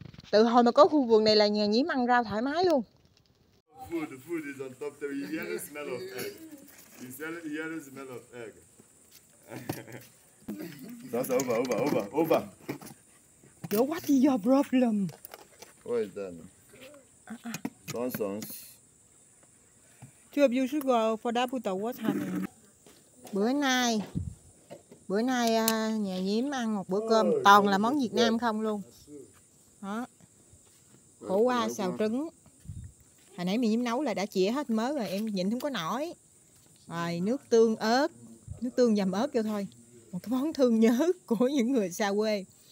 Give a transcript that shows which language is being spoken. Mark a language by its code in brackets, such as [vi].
[vi] Từ hồi mà có khu vườn này là nhà nhím ăn rau thoải mái luôn. [en] Food is on top there. You hear the smell of egg. You hear the smell of egg. That's over. Yo, what is your problem? What is that? Nonsense. Two of you should go for that put the water on. [vi] Bữa nay nhà nhím ăn một bữa cơm toàn là món Việt Nam không luôn. Đó. Khổ qua xào trứng. Hồi nãy mình nấu là đã chĩa hết mớ rồi, em nhịn không có nổi. Rồi nước tương ớt, nước tương dầm ớt vô thôi. Một cái món thương nhớ của những người xa quê.